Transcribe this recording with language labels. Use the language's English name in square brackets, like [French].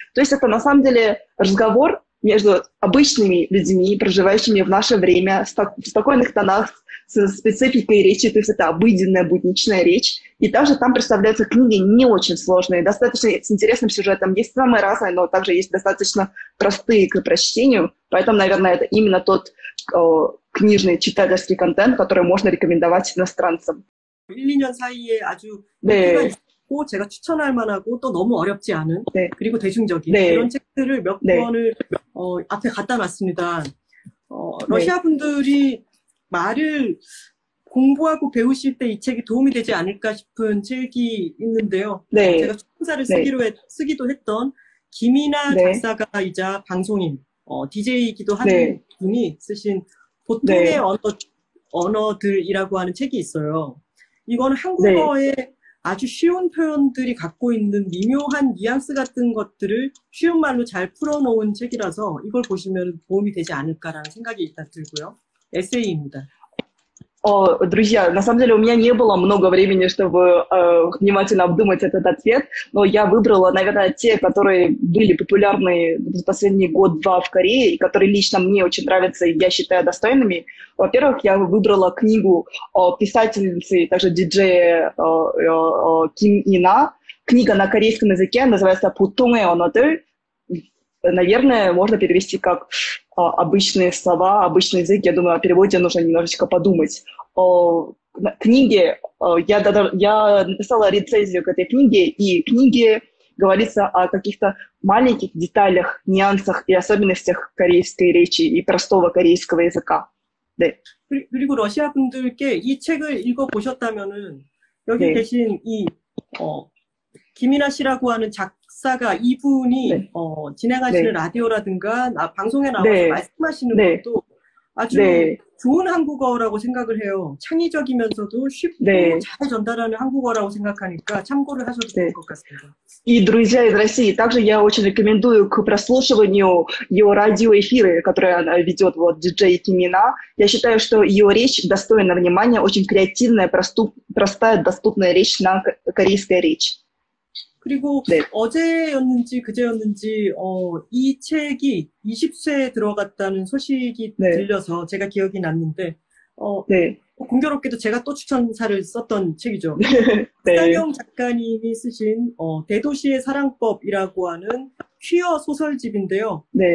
[Russian] То есть это на самом деле разговор между обычными людьми, проживающими в наше время, в спокойных тонах, с спецификой речи, то есть это обыденная, будничная речь. И также там представляются книги не очень сложные, достаточно с интересным сюжетом. Есть самые разные, но также есть достаточно простые к прочтению. Поэтому, наверное, это именно тот книжный читательский контент, который можно рекомендовать иностранцам. [Korean] 1-2년 사이에 아주 네. 있고 제가 추천할 만하고 또 너무 어렵지 않은 네. 그리고 대중적인 그런 책들을 몇 네. 권을 앞에 갖다 놨습니다. 네. 러시아 분들이 말을 공부하고 배우실 때이 책이 도움이 되지 않을까 싶은 책이 있는데요. 제가 출판사를 쓰기도 했던 김이나 작사가이자 방송인, DJ이기도 한 분이 쓰신 보통의 언어들이라고 하는 책이 있어요. 이건 한국어에 아주 쉬운 표현들이 갖고 있는 미묘한 뉘앙스 같은 것들을 쉬운 말로 잘 풀어놓은 책이라서 이걸 보시면 도움이 되지 않을까라는 생각이 일단 들고요. 에세이입니다. [Russian] Друзья, на самом деле у меня не было много времени, чтобы внимательно обдумать этот ответ, но я выбрала, наверное, те, которые были популярны за последний год-два в Корее, и которые лично мне очень нравятся, и я считаю достойными. Во-первых, я выбрала книгу писательницы, также диджея Ким Ина. Книга на корейском языке называется «Путунэ онотэ». Наверное, можно перевести как обычные слова, обычный язык. Я думаю, о переводе нужно немножечко подумать. Книги, я написала рецензию к этой книге, и в книге говорится о каких-то маленьких деталях, нюансах и особенностях корейской речи и простого корейского языка. [Korean] 그리고 러시아 분들께 이 책을 읽어보셨다면은, 여기 계신 이, 김이나 씨라고 하는 작사가 이분이, 진행하시는 라디오라든가, 방송에 나와서 말씀하시는 것도 아주 좋은 한국어라고 생각을 해요. 창의적이면서도 쉽고 잘 전달하는 한국어라고 생각하니까 참고를 하셔도 좋을 것 같습니다. [Russian] И друзья из России, также я очень рекомендую к прослушиванию ее радиоэфиры, которые она ведет, вот, диджей Кимина. Я считаю, что ее речь достойна внимания, очень креативная, простая, доступная речь на корейской речи. [Korean] 그리고 어제였는지 그제였는지 이 책이 20쇄에 들어갔다는 소식이 들려서 제가 기억이 났는데 공교롭게도 제가 또 추천사를 썼던 책이죠. 박상영 작가님이 쓰신 대도시의 사랑법이라고 하는 퀴어 소설집인데요.